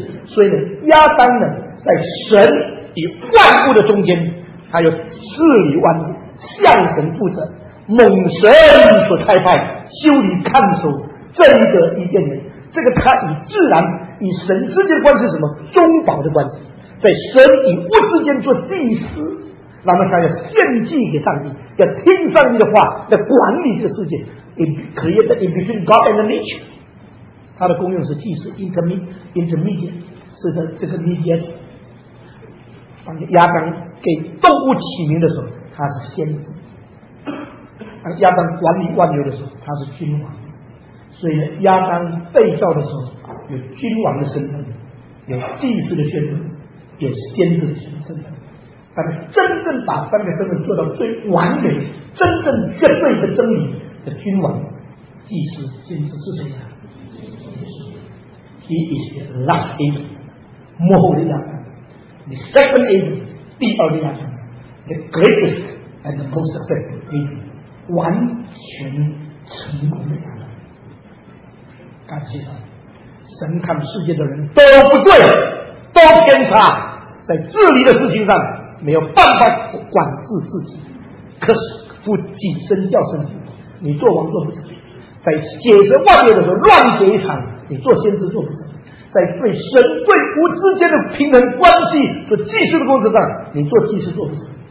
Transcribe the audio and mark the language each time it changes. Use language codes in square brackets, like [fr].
[zh] 所以呢，亚当呢，在神与万物的中间，他要治理万物，向神负责，蒙神所差派，修理看守这一个伊甸园。这个他与自然、与神之间的关系是什么？中保的关系，在神与物之间做祭司。那么他要献祭给上帝，要听上帝的话，要管理这个世界。 [en] Created in between God and nature， [zh] 他的功用是祭司 [en] intermediate， [zh] 是的，这个 [en] mediator。 [zh] 当亚当给动物起名的时候，他是先知；当亚当管理万有的时候，他是君王。所以呢，亚当被造的时候有君王的身份，有祭司的身份，有先知的身份。但是真正把三个身份做到最完美、真正绝对的真理的君王、祭司、先知是谁呢？ [en] He is the last Adam， [zh] 幕后的亚当 [en] ；the second Adam， [zh] 第二的亚当 [en] ；the greatest and the most successful Adam， [zh] 完全成功的亚当。感谢神，神看世界的人都不对，都偏差，在治理的事情上。没有办法管制自己，可是不己身教身父，你做王做不成；在解释万有的时候乱解一场，你做先知做不成；在对神对无之间的平衡关系做祭司的工作上，你做祭司做不成。